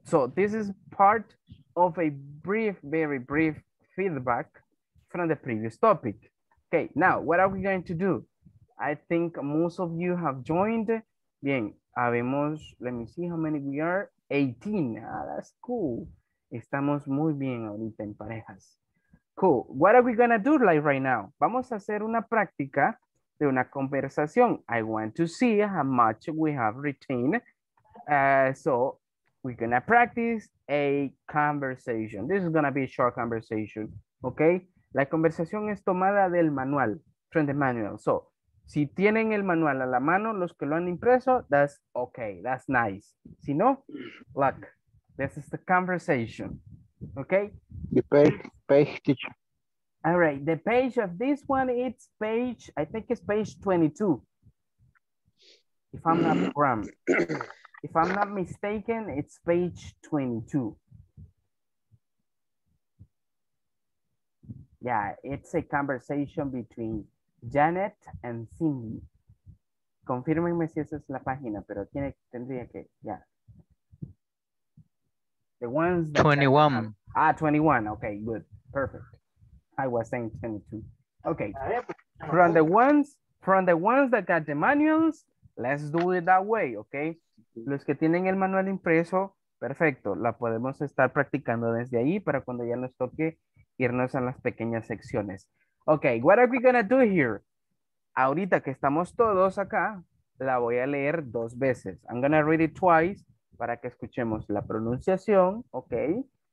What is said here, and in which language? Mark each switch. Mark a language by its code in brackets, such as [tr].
[en] So this is part of a brief, very brief feedback from the previous topic. Okay, now, what are we going to do? I think most of you have joined. [es] Bien, habemos, [en] let me see how many we are. 18. Ah, that's cool. [es] Estamos muy bien ahorita en parejas. Cool. [en] What are we going to do like right now? [es] Vamos a hacer una práctica de una conversación. [en] I want to see how much we have retained. So we're going to practice a conversation. This is going to be a short conversation. [es] Okay. La conversación es tomada del manual, [en] from the manual. [es] So, si tienen el manual a la mano, los que lo han impreso, [en] that's okay, that's nice. [es] Si no, [en] look, this is the conversation, okay? The page, teacher. All right, the page of this one, it's page, I think it's page 22. If I'm not wrong, if I'm not mistaken, it's page 22. Yeah, it's a conversation between Janet and Cindy. [es] Confírmenme si esa es la página, pero tiene, tendría que, ya. Yeah. [en] The ones that 21. Ah, 21. Okay, good. Perfect. I was saying 22. Okay. From the ones that got the manuals, let's do it that way, okay? [es] Los que tienen el manual impreso, perfecto. La podemos estar practicando desde ahí para cuando ya nos toque irnos a las pequeñas secciones. [en] Okay, what are we gonna do here? [es] Ahorita que estamos todos acá, la voy a leer dos veces. [en] I'm gonna read it twice [es] para que escuchemos la pronunciación, [en] okay?